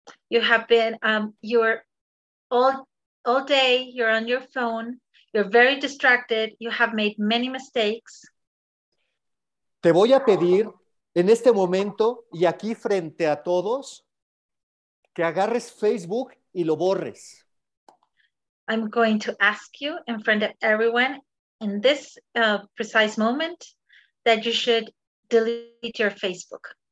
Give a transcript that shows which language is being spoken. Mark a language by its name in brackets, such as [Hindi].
[English] You have been, you're all day, you're on your phone. You're very distracted. You have made many mistakes. [Spanish] Te voy a pedir en este momento y aquí frente a todos que agarres Facebook y lo borres. [English] I'm going to ask you in front of everyone in this precise moment that you should delete your Facebook.